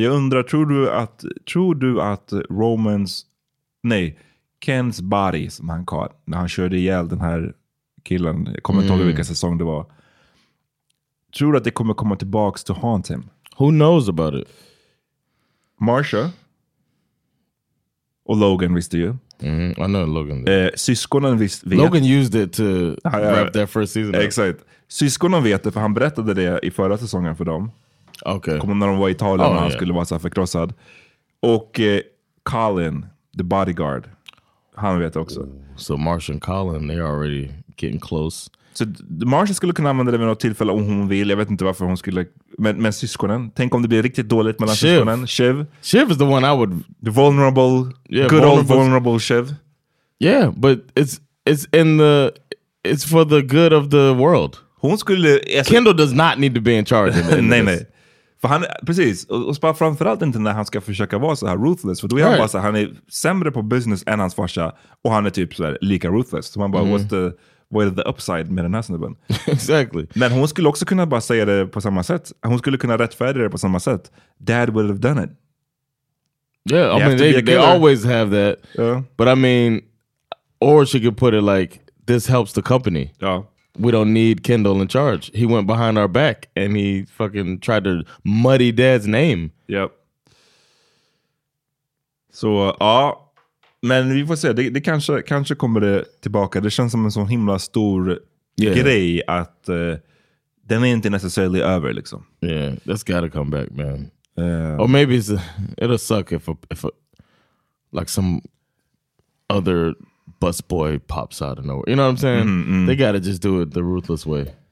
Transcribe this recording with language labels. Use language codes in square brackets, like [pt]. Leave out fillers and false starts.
[sv] Jag undrar, tror du att Ken's body, som han kallar, när han körde ihjäl den här killen, jag kommer inte ihåg vilken säsong det var, tror du att det kommer komma tillbaks [en] to haunt him? Who knows about it? [sv] Marsha och Logan visste ju. [en] Mm, I know Logan. [sv] Syskonen vet. [en] Logan used it to wrap their first season. [sv] Exakt. Syskonen vet det, för han berättade det i förra säsongen för dem. [en] Okay. [sv] Kommer när de var i Italien och han skulle vara så förkrossad. Och Colin, [en] the bodyguard, [sv] han vet också. Ooh, [en] so Marsha and Colin, they're already getting close. [sv] Så Marsha skulle kunna använda det vid något tillfälle om hon vill. Jag vet inte varför hon skulle. Men syskonen. Tänk om det blir riktigt dåligt mellan syskonen. [en] Shiv. Shiv is the one I would. The vulnerable. Yeah, good vulnerable, old vulnerable Shiv. Yeah, but it's for the good of the world. [sv] Hon skulle. [en] Kendall does not need to be in charge. [sv] Nej. För han, precis. Och bara framförallt inte när han ska försöka vara så här ruthless. För då är han bara så här, han är sämre på business än hans farsa. Och han är typ så här, lika ruthless. Så man bara, [en] what's the... [sv] Vad är [en] the upside [sv] med den här snubben? [en] Exactly. [sv] Men hon skulle också kunna bara säga det på samma sätt. Hon skulle kunna rättfärdiga det på samma sätt. [en] Dad would have done it. Yeah, I mean, they always have that. Yeah. But I mean, or she could put it like, this helps the company. Yeah. We don't need Kendall in charge. He went behind our back and he fucking tried to muddy Dad's name. Yep. [sv] So, men vi får se, det kanske kommer det tillbaka. Det känns som en sån himla stor grej att den är inte necessarily över liksom. [en] Yeah, that's gotta come back, man. Or maybe it'll suck if like some other busboy pops out of nowhere. You know what I'm saying? They gotta just do it the ruthless way.